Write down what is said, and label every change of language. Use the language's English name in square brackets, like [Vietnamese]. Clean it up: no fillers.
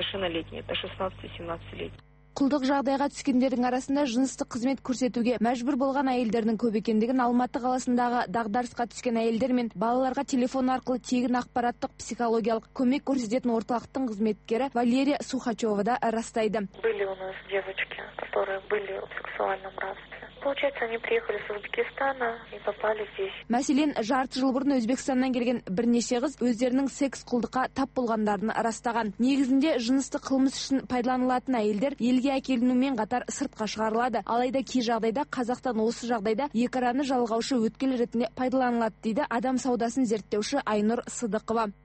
[Kazakh] Құлдық жағдайға түскендердің арасында жыныстық қызмет көрсетуге мәжбүр болған әйелдердің көп екендігін Алматы қаласындағы дағдарысқа түскен әйелдер мен балаларға телефон арқылы тегін ақпараттық психологиялық көмек көрсететін орталықтың қызметкері Валерия Сухачева да растайды. [Russian] Были у нас девочки, которые были в сексуальном рабстве. Получается, они приехали из Узбекистана и попали здесь. [Kazakh] Мәселен, жарты жыл бұрын Өзбекстаннан келген бірнеше қыз өздерінің секс құлдыққа тап болғандарын растаған. Негізінде жыныстық қылмыс үшін пайдаланылатын әйелдер елге әкелінумен қатар сыртқа шығарылады. Алайда кей жағдайда Қазақстан осы жағдайда екіраны жалғаушы өткел ретінде пайдаланылады, дейді адам саудасын зерттеуші Айнұр Сыдықова.